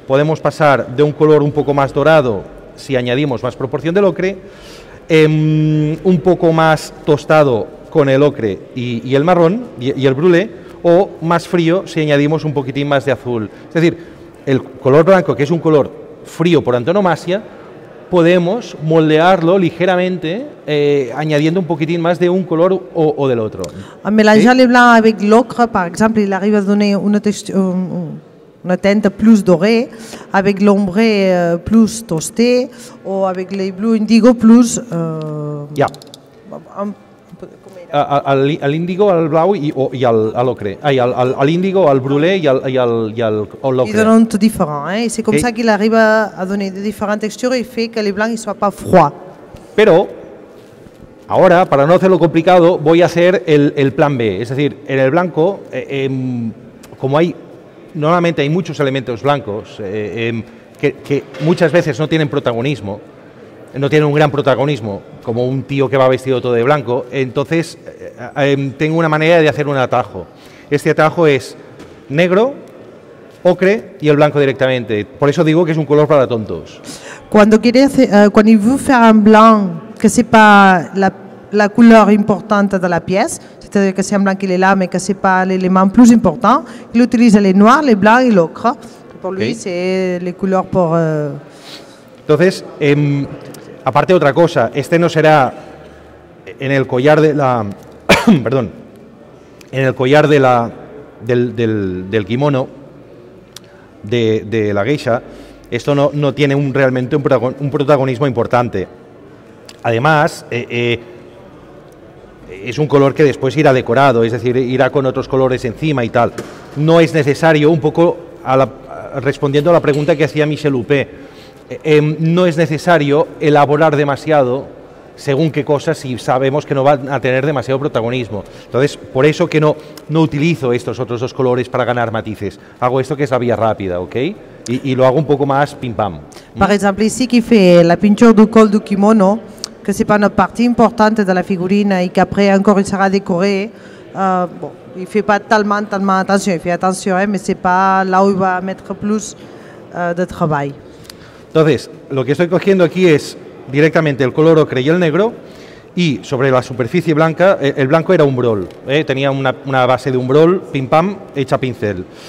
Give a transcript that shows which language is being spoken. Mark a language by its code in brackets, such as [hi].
[es] Podemos pasar de un color un poco más dorado si añadimos más proporción del ocre, un poco más tostado con el ocre y el marrón y el brûlé, o más frío si añadimos un poquitín más de azul. Es decir, el color blanco, que es un color frío por antonomasia, podemos moldearlo ligeramente añadiendo un poquitín más de un color o del otro. [fr] A mélanger le blanc avec l'ocre, par exemple, il arrive a donner una teinte plus dorée, avec l'ombre plus tosté, o avec le blue indigo plus... Ja. [es] Al índigo, al blau y al ocre. Ay, al índigo, al brûlé y al ocre. Y donan todo diferente, ¿eh? Y es como así que él arriba a donar de diferentes texturas y hace que el blanco no sea frío. Pero, ahora, para no hacerlo complicado, voy a hacer el plan B. Es decir, en el blanco, como hay, normalmente hay muchos elementos blancos que muchas veces no tienen protagonismo, no tiene un gran protagonismo, como un tío que va vestido todo de blanco. Entonces, tengo una manera de hacer un atajo. Este atajo es negro, ocre y el blanco directamente. Por eso digo que es un color para tontos. Cuando quiere hacer, cuando [fr] il veut faire un blanc, que sepa la, la couleur importante de la pièce, c'est-à-dire que c'est un blanc qu'il est là, mais que c'est pas l'élément plus important, il utilise les noirs, les blancs et l'ocre. Pour lui, okay, c'est les couleurs pour... [es] Entonces, aparte otra cosa, este no será en el collar de la, perdón, en el collar de la, del kimono de la geisha, esto no, no tiene un, realmente un protagonismo importante. Además, es un color que después irá decorado, es decir, irá con otros colores encima y tal. No es necesario, un poco a la, respondiendo a la pregunta que hacía Michel Huppé, no es necesario elaborar demasiado según qué cosas si sabemos que no van a tener demasiado protagonismo. Entonces, por eso que no utilizo estos otros dos colores para ganar matices. Hago esto que es la vía rápida, ¿ok? Y lo hago un poco más pim-pam. Por ejemplo, [fr] ici qui fait la pinture du col du kimono, que c'est pas une partie importante de la figurine et qu'après encore il sera décoré, bon, il fait pas tellement attention, il fait attention, mais c'est pas là où il va mettre plus de travail. [es] Entonces, lo que estoy cogiendo aquí es directamente el color ocre y el negro, y sobre la superficie blanca, el blanco era un brol, tenía una base de un brol, pim pam, hecha pincel.